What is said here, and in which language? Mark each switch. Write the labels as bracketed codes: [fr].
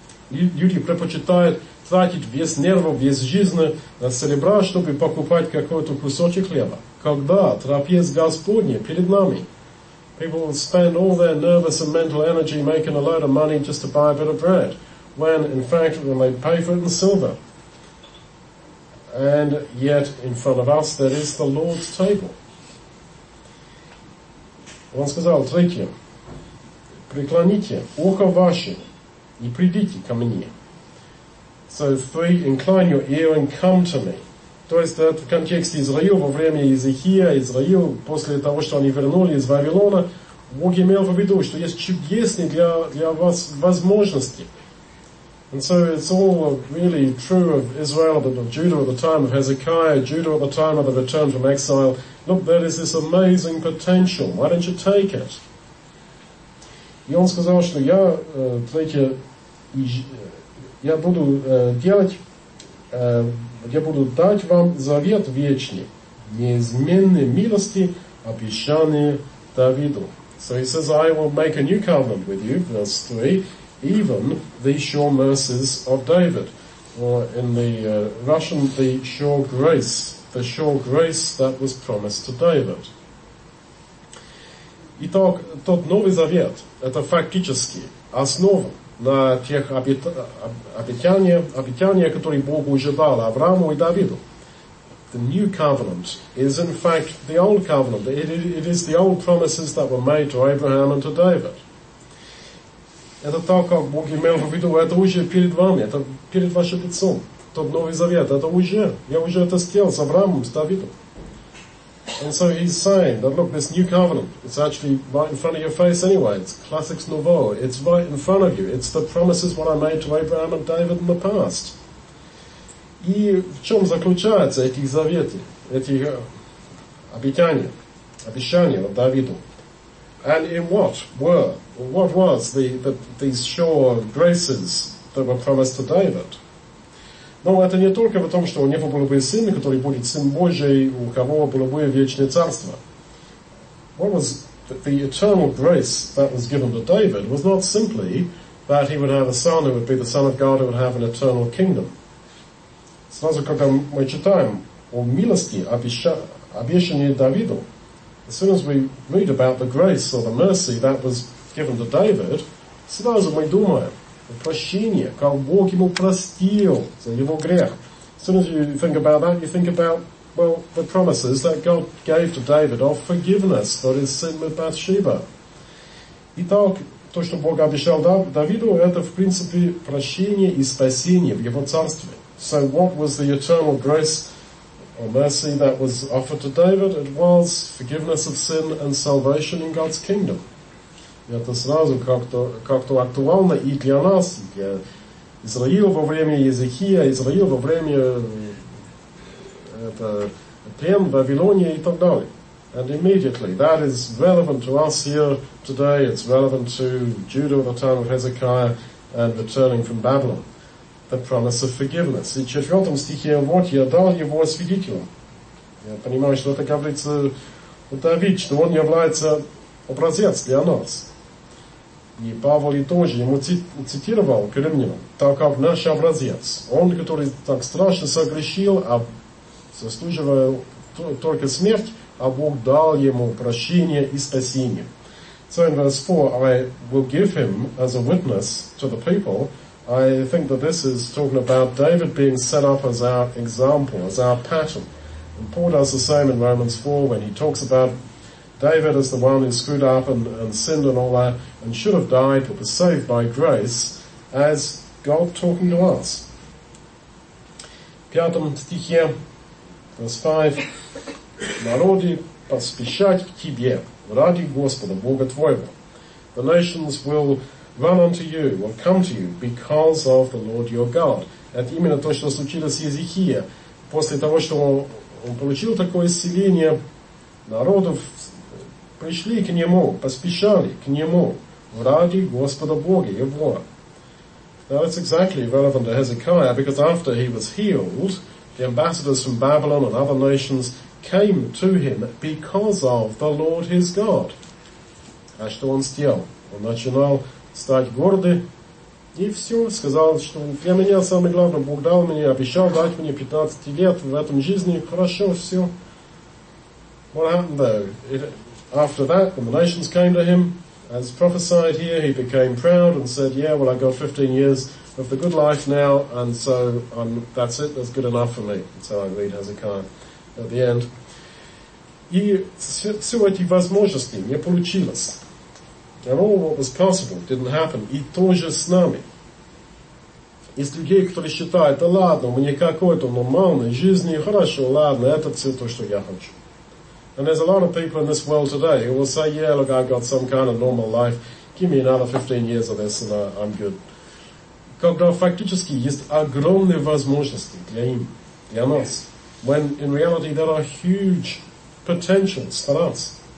[ru] Люди предпочитают тратить весь нерв, весь жизнь на серебра, чтобы покупать какой-то кусочек хлеба. Когда трапеза Господня перед нами. [en] People spend all their nervous and mental energy making a load of money just to buy a bit of bread. When, in fact, when they pay for it in silver. And yet, in front of us, there is the Lord's table. [ru] Он сказал, третье. Преклоните ухо ваше и придите ко мне. [en] So, three, incline your ear and come to me. [ru] То есть, в контексте Израиля, во время Иезекии, Израиль, после того, что они вернулись из Вавилона, Бог имел в виду, что есть чудесные для вас возможности. [en] And so it's all really true of Israel, of Judah at the time of Hezekiah, Judah at the time of the return from exile. Look, there is this amazing potential. Why don't you take it? [ru] И он сказал, что я, третье, я буду делать, я буду дать вам завет вечный, неизменные милости, обещанные Давиду. [en] So he says, I will make a new covenant with you, verse 3, even the sure mercies of David, or in the Russian, the sure grace that was promised to David. [ru] Итак, тот Новый Завет, это фактически основа на тех обетованиях, которые Бог уже дал Аврааму и Давиду. [en] The New Covenant is in fact the Old Covenant. It is the old promises that were made to Abraham and to David. [ru] Это так, как Бог имел в виду, это уже перед вами, это перед вашим лицом. Тот Новый Завет, это уже, я уже это сделал с Авраамом, с Давидом. [en] And so he's saying that, look, this new covenant, it's actually right in front of your face anyway. It's classics novo, it's right in front of you. It's the promises what I made to Abraham and David in the past. [ru] И в чем заключаются эти заветы, эти обетования, обещания от Давиду? [en] And in what were, what was these sure graces that were promised to David? [ru] Ну, это не только в том, что у него был бы сын, который будет сын Божий, у кого было бы вечное царство. [en] What was the eternal grace that was given to David was not simply that he would have a son who would be the son of God who would have an eternal kingdom. [ru] Сразу, когда мы читаем о милости, обещании Давиду, [en] as soon as we read about the grace or the mercy that was given to David, [ru] сразу мы думаем о прощении, как Бог ему простил за его грех. [en] As soon as you think about that, you think about, well, the promises that God gave to David of forgiveness for his sin with Bathsheba. [ru] Итак, то, что Бог обещал Давиду, это, в принципе, прощение и спасение в его царстве. [en] So what was the eternal grace or mercy that was offered to David? It was forgiveness of sin and salvation in God's kingdom. [ru] И это сразу как-то актуально и для нас, и для Израиля во время Иезекии, Израиля во время это плен Вавилонии и так далее. [en] And immediately, that is relevant to us here today, it's relevant to Judah at the time of Hezekiah and returning from Babylon. The promise of forgiveness. [ru] И в четвертом стихе, вот я дал его свидетелем. Я понимаю, что это говорится у Давид, что он является образец для нас. И Павел тоже ему цитировал к римлянам, так как наш образец. Он, который так страшно согрешил, а заслуживая только смерть, а Бог дал ему прощение и спасение. [en] So in verse 4, I will give him as a witness to the people. I think that this is talking about David being set up as our example, as our pattern. And Paul does the same in Romans 4 when he talks about David as the one who screwed up and sinned and all that and should have died but was saved by grace as God talking to us. [ru] пятом стихе, [en] verse 5, [ru] народы поспешать к тебе ради Господа, Бога твоего. [en] The nations will run unto you, will come to you because of the Lord your God. [ru] Это именно то, что случилось с Езехией. После того, что он получил такое исцеление, народов пришли к нему, поспешали к нему ради Господа Бога его. [en] Now it's exactly relevant to Hezekiah, because after he was healed, the ambassadors from Babylon and other nations came to him because of the Lord his God. [ru] А что он сделал? Он начинал стать гордым, и все, сказал, что я менял самое главное, Бог дал мне, обещал дать мне 15 лет в этом жизни, хорошо, все. [en] What happened though? After that, when the nations came to him, as prophesied here, he became proud and said, yeah, well, I got 15 years of the good life now, and so that's it, that's good enough for me. So I read Hezekiah at the end. [ru] И все эти возможности не получилось. [en] And all what was possible didn't happen. [ru] И тоже с нами. Есть люди, которые считают, да ладно, у меня какой-то нормальной жизни, хорошо, ладно, это все то, что я хочу. [en] And there's a lot of people in this world today who will say, yeah, look, I've got some kind of normal life. Give me another 15 years of this and I'm good. [ru] Когда фактически есть огромные возможности для им, для нас. [en] When in reality there are huge potentials for us.